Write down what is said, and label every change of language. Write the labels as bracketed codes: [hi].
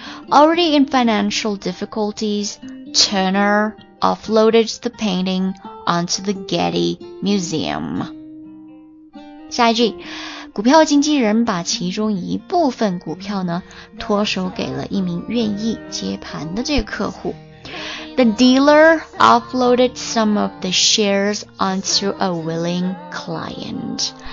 [en] Already in financial difficulties, Turner offloaded the painting onto the Getty Museum. [zh] 下一句，股票经纪人把其中一部分股票呢脱手给了一名愿意接盘的这个客户。 [en] The dealer offloaded some of the shares onto a willing client.